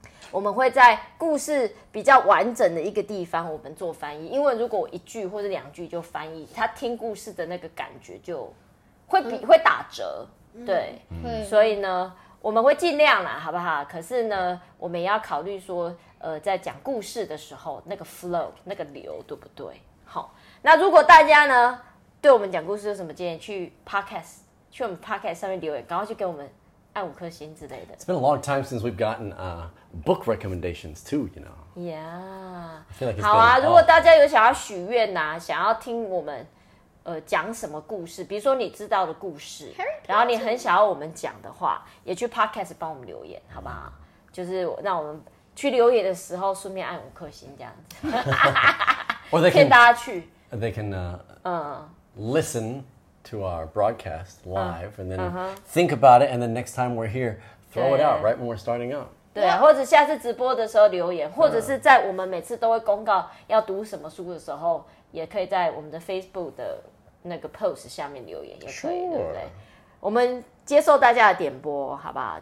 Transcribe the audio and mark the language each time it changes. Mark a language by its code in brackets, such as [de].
[zh] 我们会在故事比较完整的一个地方我们做翻译，因为如果一句或者两句就翻译，他听故事的那个感觉就 会打折，对、所以呢我们会尽量啦，好不好？可是呢我们也要考虑说在讲故事的时候那个 flow 那个流对不对。好，那如果大家呢对我们讲故事有什么建议，去我们 podcast 上面留言，赶快去给我们按五颗星之类的。 [en] It's been a long time since we've gotten book recommendations too, you know. Yeah. [zh] 好啊，如果大家有想要许愿啊，想要听我们讲什么故事，比如说你知道的故事，然后你很想要我们讲的话，也去 podcast 帮我们留言，好不好？就是让我们去留言的时候顺便按五颗星这样子。 [en] Or they can, [zh] 骗大家去。 [en] They can listen to our broadcast live and then think about it and then next time we're here, throw it out right when we're starting up. [zh] 对、或者下次直播的时候留言，或者是在我们每次都会公告要读什么书的时候，也可以在我们的 Facebook 的那个 post 下面留言，也可以、 [en] sure. [zh] 对不对？我们接受大家的点播，好不好？